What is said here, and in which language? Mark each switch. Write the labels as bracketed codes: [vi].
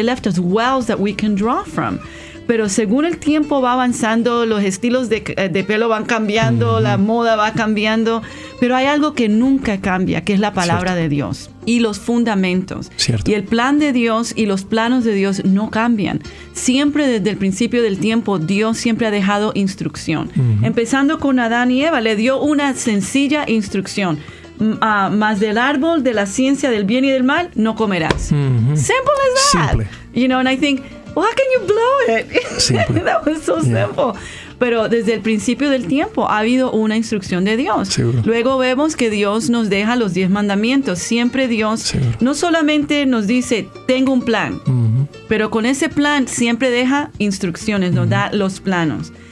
[en] They left us wells that we can draw from. [es] Pero según el tiempo va avanzando, los estilos de pelo van cambiando, la moda va cambiando, pero hay algo que nunca cambia, que es la palabra de Dios y los fundamentos. Cierto. Y el plan de Dios y los planos de Dios no cambian. Siempre desde el principio del tiempo, Dios siempre ha dejado instrucción. Empezando con Adán y Eva, le dio una sencilla instrucción. Más del árbol de la ciencia del bien y del mal, no comerás. [en] Simple as that. Simple. You know, and I think, well, how can you blow it? Simple. That was so simple. [es] Pero desde el principio del tiempo ha habido una instrucción de Dios. Seguro. Luego vemos que Dios nos deja los 10 mandamientos. Siempre Dios no solamente nos dice, tengo un plan, pero con ese plan siempre deja instrucciones, nos da los planos.